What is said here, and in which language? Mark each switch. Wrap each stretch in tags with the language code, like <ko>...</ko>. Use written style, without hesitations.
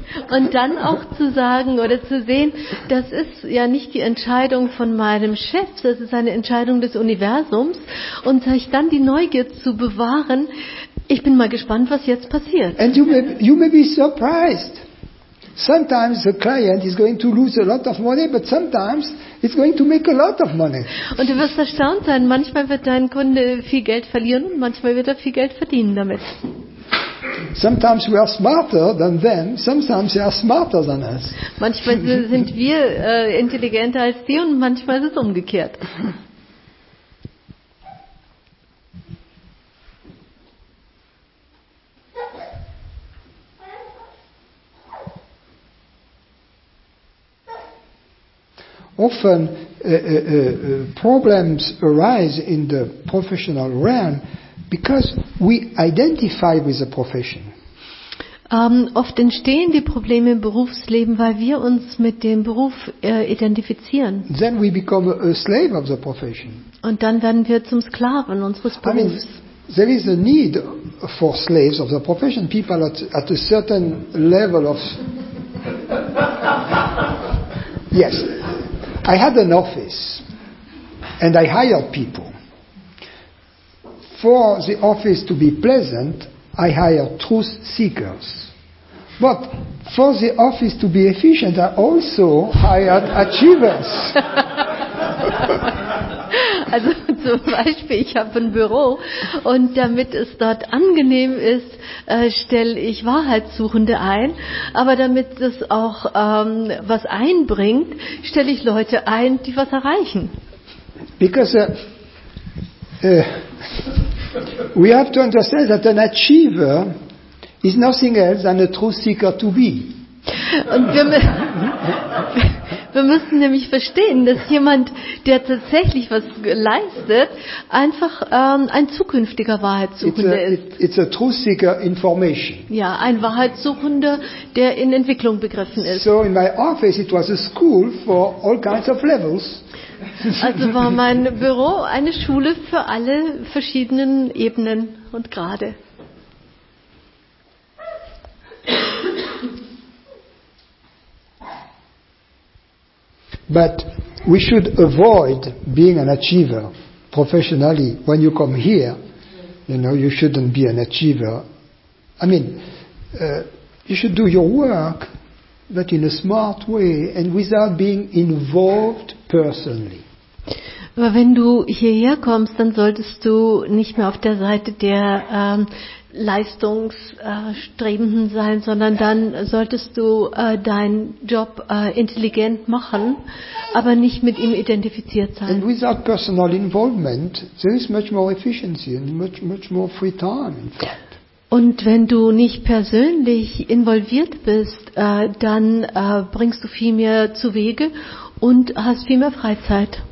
<de>Und dann auch zu sagen oder zu sehen, das ist ja nicht die Entscheidung von meinem Chef, das ist eine Entscheidung des Universums. Und sich dann die Neugier zu bewahren, ich bin mal gespannt, was jetzt passiert.</de> <en>And you may be surprised. Sometimes the client is going to lose a lot of money, but sometimes it's going to make a lot of money.</en> <de>Und du wirst erstaunt sein, manchmal wird dein Kunde viel Geld verlieren und manchmal wird er viel Geld verdienen damit.</de> <en>Sometimes we are smarter than them, sometimes they are smarter than us.</en> <de>Manchmal sind wir intelligenter als die und manchmal ist es umgekehrt.</de> <en>Often problems arise in the professional realm because we identify with the profession.</en> <de>Oft entstehen die Probleme im Berufsleben, weil wir uns mit dem Beruf identifizieren.</de> <en>Then we become a slave of the profession.</en> <de>Und dann werden wir zum Sklaven unseres Berufs.</de> <en>I mean, there is a need for slaves of the profession. People at a certain level of yes. I had an office and I hired people. For the office to be pleasant, I hired truth seekers. But for the office to be efficient, I also hired achievers.</en> <de>Also zum Beispiel, ich habe ein Büro und damit es dort angenehm ist, stelle ich Wahrheitssuchende ein. Aber damit es auch was einbringt, stelle ich Leute ein, die was erreichen.</de> <en>Because we have to understand that an achiever is nothing else than a truth seeker to be.</en> <de>Und wir müssen nämlich verstehen, dass jemand, der tatsächlich was leistet, einfach ein zukünftiger Wahrheitssuchender ist.</de> <en>It's a truth seeker information.</en> <de>Ja, ein Wahrheitssuchender, der in Entwicklung begriffen ist.</de> <en>So in my office it was a school for all kinds of levels.</en> <de>Also war mein Büro eine Schule für alle verschiedenen Ebenen und Grade.</de> <en>But we should avoid being an achiever professionally. When you come here, you know, you shouldn't be an achiever. I mean, you should do your work, but in a smart way and without being involved personally.</en> <de>Aber wenn du hierher kommst, dann solltest du nicht mehr auf der Seite der Leistungsstrebenden sein, sondern dann solltest du deinen Job intelligent machen, aber nicht mit ihm identifiziert sein.</de> <en>And without personal involvement, there is much more efficiency and much, much more free time, in fact.</en> <de>Und wenn du nicht persönlich involviert bist, dann bringst du viel mehr zu Wege und hast viel mehr Freizeit.</de>